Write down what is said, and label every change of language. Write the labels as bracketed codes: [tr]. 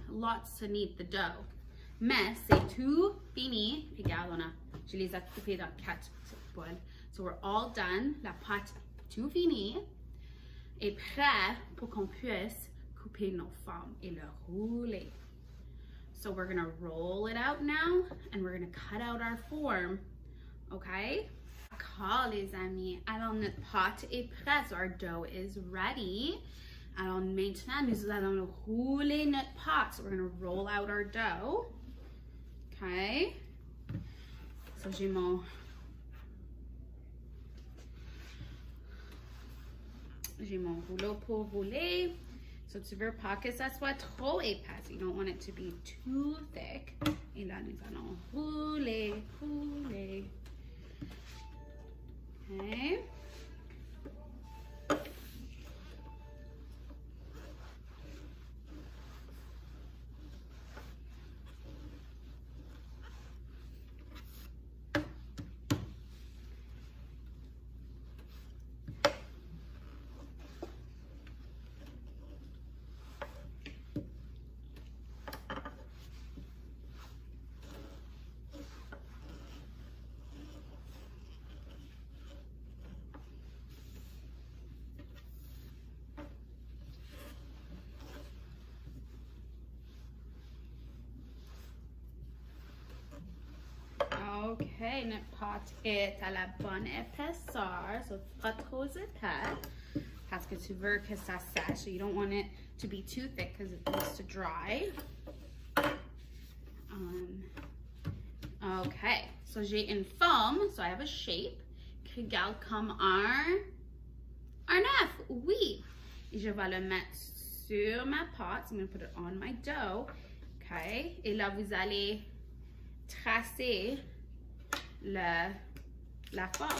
[en] Lots to knead the dough. [fr] Mais c'est tout fini. Regarde, on a, je les ai coupés dans quatre boules. [en] So we're all done. [fr] La pâte tout fini et prêt pour qu'on puisse couper nos formes et le rouler. [en] So we're gonna roll it out now and we're gonna cut out our form, okay? [fr] D'accord les amis, alors notre pâte est prête, [en] so our dough is ready. [fr] Alors maintenant nous allons rouler notre pâte, [en] so we're gonna roll out our dough, okay? [fr] So j'ai mon... J'ai mon rouleau pour rouler. So tu veux pas que ça soit trop épais. [en] You don't want it to be too thick. [fr] Et là, nous allons rouler, rouler. Okay. Okay, notre pâte est à la bonne épaisseur, so pas trop épais, parce que tu veux que ça sèche. [en] You don't want it to be too thick because it needs to dry. [fr] Okay, so j'ai une forme, [en] so I have a shape, [fr] qui gale comme un neuf, oui. Et je vais le mettre sur ma pâte, [en] so I'm going to put it on my dough, okay. [fr] Et là, vous allez tracer... la forme.